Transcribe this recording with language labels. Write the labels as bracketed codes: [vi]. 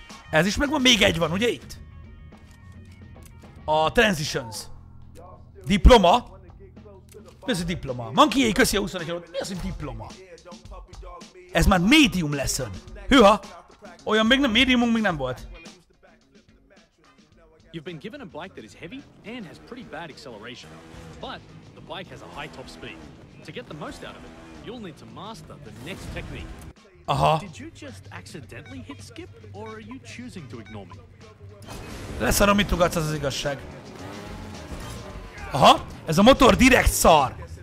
[hu] Ez is megvan, még egy van, ugye itt? A Transitions. Diploma. Mi az, hogy diploma? Monkey, köszi a 21 eurót. Mi az, hogy diploma? Ez már medium lesson. Hűha! Olyan még nem, mediumunk még nem volt. [en] You've been given a bike that is heavy and has pretty bad acceleration. But the bike has a high top speed. To get the most out of it, you'll need to master the next technique. Aha. Did you just accidentally hit skip or are you choosing to ignore me? [hu] Leszarom, mit ugatsz, az az igazság. Aha, ez a motor direkt szar.